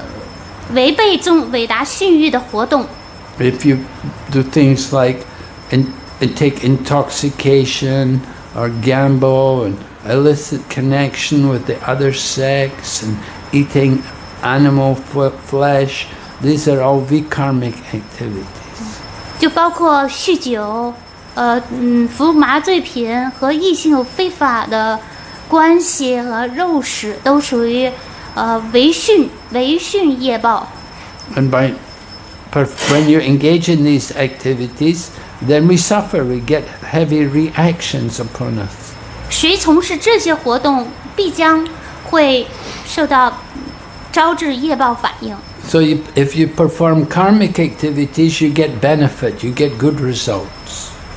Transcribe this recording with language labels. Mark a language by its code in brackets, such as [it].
[zh] 还有违背韦达训谕的活动。 [en] If you do things like and take intoxication, or gamble, and illicit connection with the other sex, and eating animal flesh. These are all vikarmic activities. [zh] 就包括酗酒，服麻醉品和异性有非法的关系和肉食，都属于违训业报。 [en] And by, when you engage in these activities, then we suffer, we get heavy reactions upon us. [zh] 谁从事这些活动必将会受到招致业报反应。 [en] So if you perform karmic activities, you get benefit, you get good results.